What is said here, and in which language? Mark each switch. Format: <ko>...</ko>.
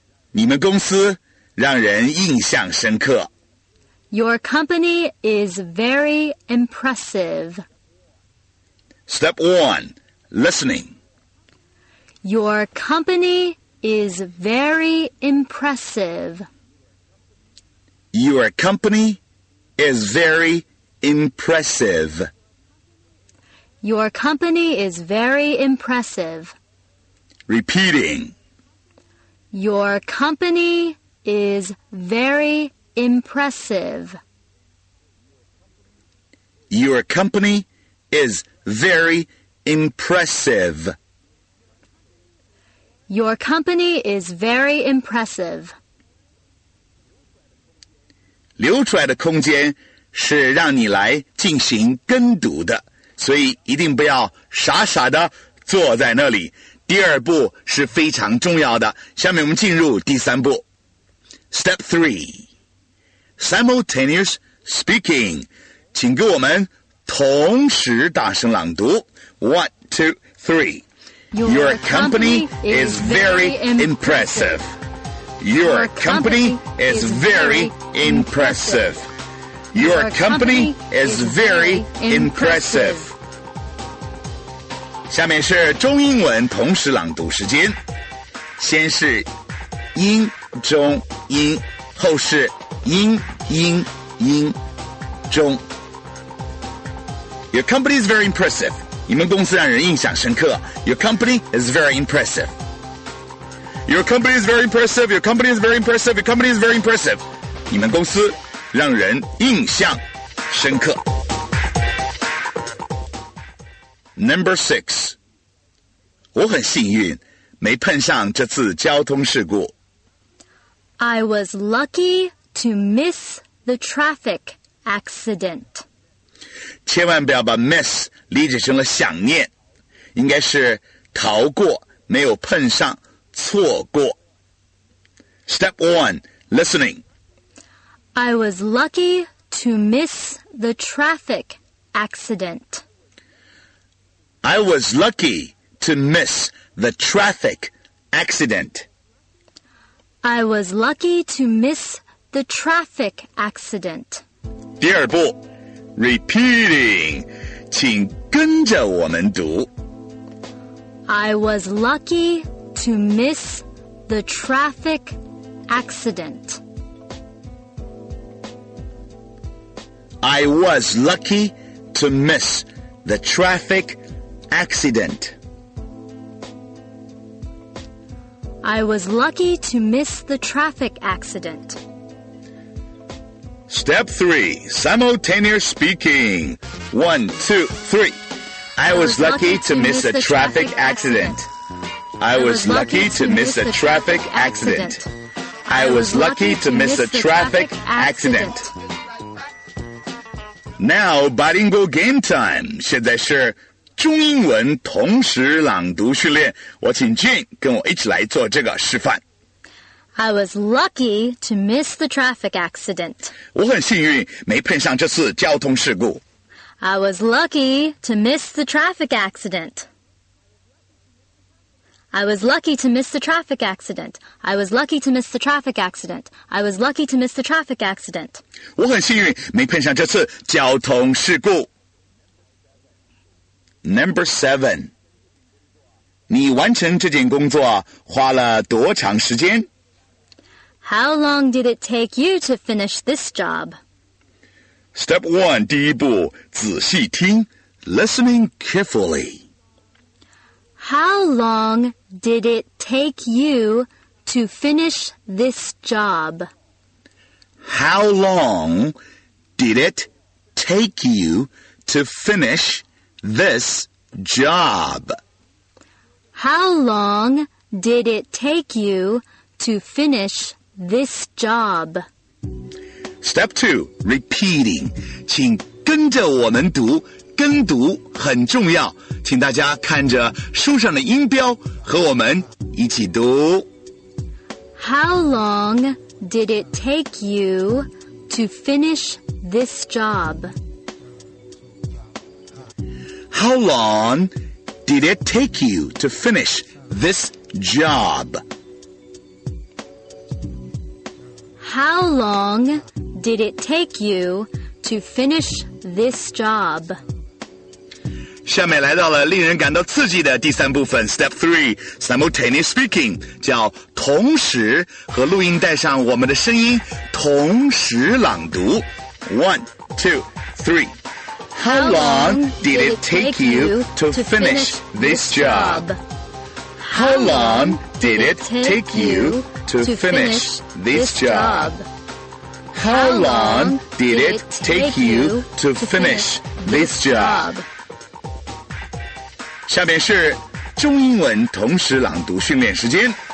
<zh>你们公司让人印象深刻。</zh> <en>Your company is very impressive. Step one. Listening. Your company is very impressive. Your company is very impressive. Your company is very impressive. Repeating. Your company is very impressive. Your company is very impressive. Your company is very impressive.</en> <zh>留出来的空间是让你来进行跟读的，所以一定不要傻傻的坐在那里。第二步是非常重要的，下面我们进入第三步。</zh> <en>Step 3 Simultaneous Speaking，</en> <zh>请跟我们同时大声朗读。</zh> <en>1, 2, 3. Your company is very impressive. Your company is very impressive. Your company is very impressive.</en> <zh>下面是中英文同时朗读时间，先是英中英，后是英英英中。</zh> <en>Your company is very impressive.</en> <zh>你们公司让人印象深刻。</zh> <en>Your company is very impressive. Your company is very impressive. Your company is very impressive. Your company is very impressive.</en> <zh>你们公司让人印象深刻。</zh> <en>Number 6.</en> <zh>我很幸运没碰上这次交通事故。</zh> <en>I was lucky to miss the traffic accident.</en> <zh>千万不要把 miss 理解成了想念，应该是逃过，没有碰上，错过。</zh> <en>Step 1. Listening. I was lucky to miss the traffic accident. I was lucky to miss the traffic accident. I was lucky to miss the traffic accident.</en> <zh>第二步</zh> <en>repeating,</en> <zh>请跟着我们读。</zh> <en>I was lucky to miss the traffic accident. I was lucky to miss the traffic accident. Accident. I was lucky to miss the traffic accident. Step 3. Simultaneous speaking. 1, 2, 3. I was lucky to miss a traffic accident. I was lucky to miss a traffic accident. I was lucky to miss a traffic accident. Now, bilingual game time.</en> <zh>现在是中英文同时朗读训练，我请 Jane 跟我一起来做这个示范。</zh> <en>I was lucky to miss the traffic accident.</en> <zh>我很幸运没碰上这次交通事故。</zh> <en>I was lucky to miss the traffic accident. I was lucky to miss the traffic accident. I was lucky to miss the traffic accident. I was lucky to miss the traffic accident.</en> <zh>我很幸运没碰上这次交通事故。</zh> <en>Number 7.</en> <zh>你完成这件工作花了多长时间?</zh> <en>How long did it take you to finish this job? Step 1,</en> <zh>第一步,仔细听,</zh> <en>listening carefully. How long did it take you to finish this job? How long did it take you to finish this job? Job. How long did it take you to finish this job? Step 2, repeating.</en> <zh>请跟着我们读，跟读很重要，请大家看着书上的音标和我们一起读。</zh> <en>How long did it take you to finish this job? How long did it take you to finish this job. How long did it take you to finish this job?</en> <zh>下面来到了令人感到刺激的第三部分</zh> <en>Step 3 Simultaneous Speaking</en> <zh>叫同时和录音带上我们的声音同时朗读 1, 2, 3</zh> <en>How long did it take you to finish this job? How long did it take you to finish this job? How long did it take you to finish this job?</en> <zh>下面是中英文同时朗读训练时间。</zh>